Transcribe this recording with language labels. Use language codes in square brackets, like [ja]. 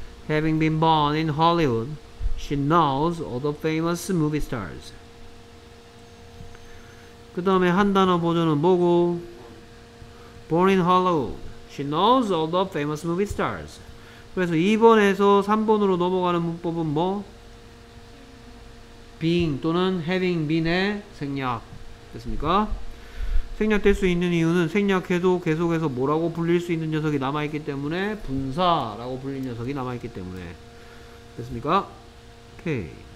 [en] Having been born in Hollywood, she knows all the famous movie stars. [ko] 그 다음에 한 단어 버전은 뭐고? [en] Born in Hollywood, she knows all the famous movie stars. [ko] 그래서 2번에서 3번으로 넘어가는 문법은 뭐? Being 또는 having been의 생략. 됐습니까? 생략될 수 있는 이유는 생략해도 계속해서 뭐라고 불릴 수 있는 녀석이 남아있기 때문에 분사라고 불린 녀석이 남아있기 때문에. 됐습니까? 오케이.